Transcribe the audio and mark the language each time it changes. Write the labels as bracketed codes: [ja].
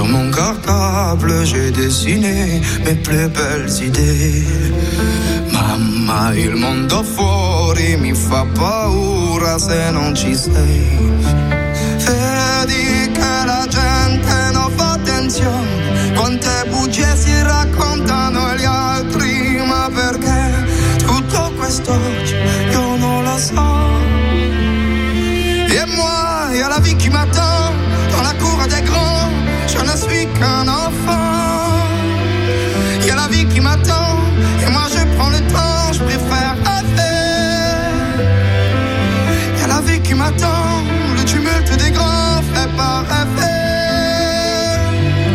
[fr] incorporable, j'ai dessiné mes plus belles idées. [it] Mamma, il mondo fuori mi fa paura se non ci sei. Vedi che la gente non fa attenzione, quante bugie si raccontano gli altri, ma perché tutto questo oggi io non lo so. [fr] E moi, y'a la vie qui m'attend, dans la cour des grands, je ne suis qu'un enfant. Y'a la vie qui m'attend, et moi je prends le temps, je préfère rêver. Y'a la vie qui m'attend, le tumulte des grands fait pas rêver.